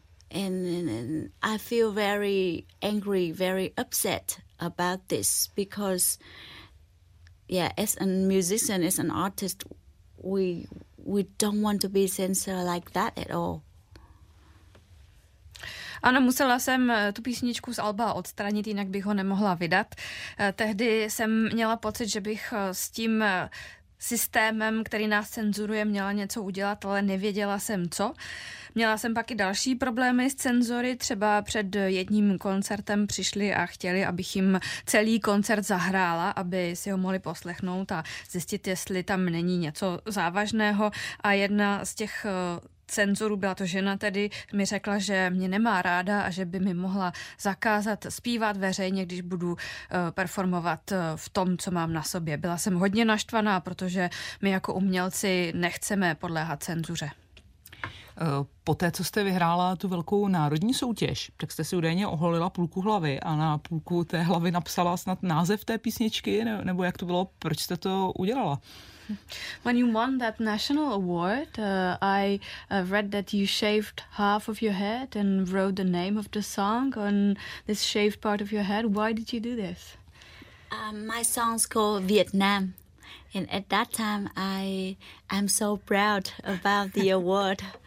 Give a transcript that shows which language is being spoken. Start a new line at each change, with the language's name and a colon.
English: And I feel very angry, very upset about this, because as a musician, as an artist, we don't want to be censored like that at all.
Czech: Ano, musela jsem tu písničku z alba odstranit, jinak bych ho nemohla vydat. Tehdy jsem měla pocit, že bych s tím systémem, který nás cenzuruje, měla něco udělat, ale nevěděla jsem co. Měla jsem pak i další problémy s cenzory. Třeba před jedním koncertem přišli a chtěli, abych jim celý koncert zahrála, aby si ho mohli poslechnout a zjistit, jestli tam není něco závažného. A jedna z těch cenzuru, byla to žena tedy, mi řekla, že mě nemá ráda a že by mi mohla zakázat zpívat veřejně, když budu performovat v tom, co mám na sobě. Byla jsem hodně naštvaná, protože my jako umělci nechceme podléhat cenzuře. Poté, co jste vyhrála tu velkou národní soutěž, tak jste si údajně oholila půlku hlavy a na půlku té hlavy napsala snad název té písničky, nebo jak to bylo, proč jste to udělala?
English: When you won that national award, I read that you shaved half of your head and wrote the name of the song on this shaved part of your head. Why did you do this? My song's called Vietnam. And at that time, I'm so proud about the award.